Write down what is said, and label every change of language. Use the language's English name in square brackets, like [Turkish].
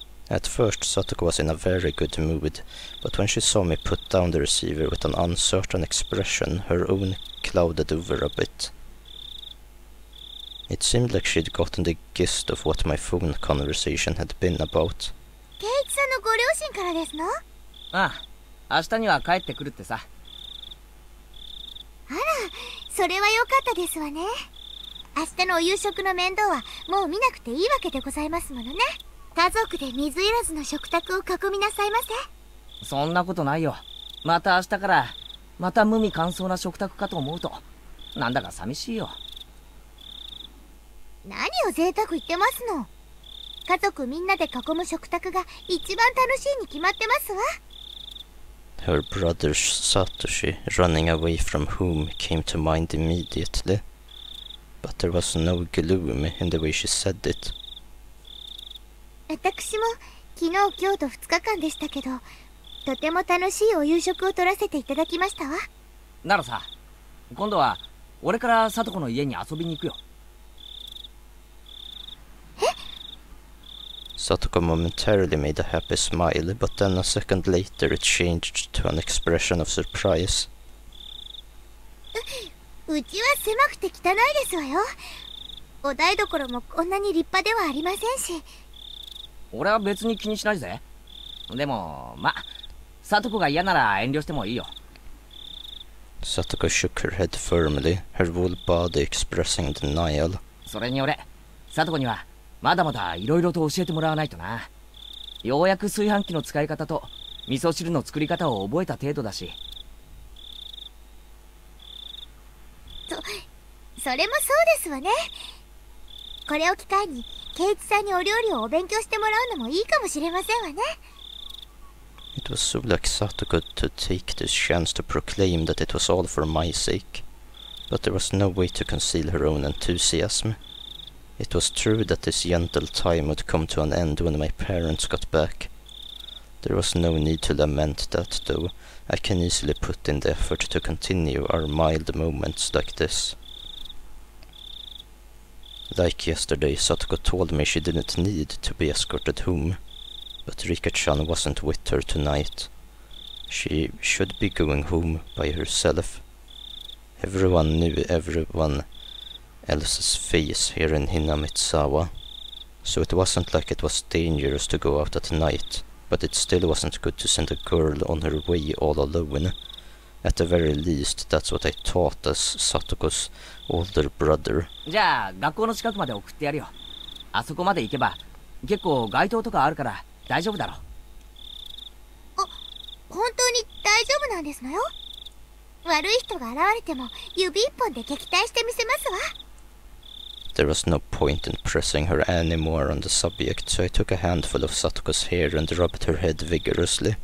[English] At first, Satoko was in a very good mood, but when she saw me put down the receiver with an uncertain expression, her own clouded over a bit. It seemed like she'd gotten the gist of what my phone conversation had been about. [Japanese] ケイチさんのご両親からですの？ああ、明日には帰ってくるってさ。あら、それは良かったですわね。明日のお夕食の面倒はもう見なくていいわけでございますものね。家族で水入らずの食卓を囲みなさいませ。そんなことないよ。また明日から、また無味乾燥な食卓かと思うと、なんだか寂しいよ。何を贅沢言ってますの？家族みんなで囲む食卓が一番楽しいに決まってますわ。 [English] Her brother Satoshi running away from home came to mind immediately, but there was no gloom in the way she said it. [Japanese] 私も昨日今日と2日間でしたけど、とても楽しいお夕食を取らせていただきましたわ。ナロさ、今度は俺からサトコの家に遊びに行くよ。 [English] Satoko momentarily made a happy smile, but then a second later it changed to an expression of surprise. [Japanese] うちは狭くて汚いですわよ。お台所もこんなに立派ではありませんし。俺は別に気にしないぜ。でも、ま、Satoko が嫌なら遠慮してもいいよ。 [English] Satoko shook her head firmly, her whole body expressing denial. [Japanese] それに俺、Satoko には、まだまだいろいろと教えてもらわないとな。ようやく炊飯器の使い方と味噌汁の作り方を覚えた程度だし。それもそうですわね。これを機会にケイチさんにお料理をお勉強してもらうのもいいかもしれませんわね。 [English] It was so like Satoko to take this chance to proclaim that it was all for my sake, but there was no way to conceal her own enthusiasm. It was true that this gentle time would come to an end when my parents got back. There was no need to lament that, though. I can easily put in the effort to continue our mild moments like this. Like yesterday, Satoko told me she didn't need to be escorted home. But Rika-chan wasn't with her tonight. She should be going home by herself. Everyone knew everyone... Elsa's face here in Hinamitsawa. So it wasn't like it was dangerous to go out at night, but it still wasn't good to send a girl on her way all alone. At the very least, that's what I thought as Satoko's older brother. [Japanese] じゃあ、学校の近くまで送ってやるよ。あそこまで行けば、結構街灯とかあるから大丈夫だろ。あ、本当に大丈夫なんですのよ。悪い人が現れても指一本で撃退してみせますわ。 [English] There was no point in pressing her anymore on the subject, so I took a handful of Satoko's hair and rubbed her head vigorously.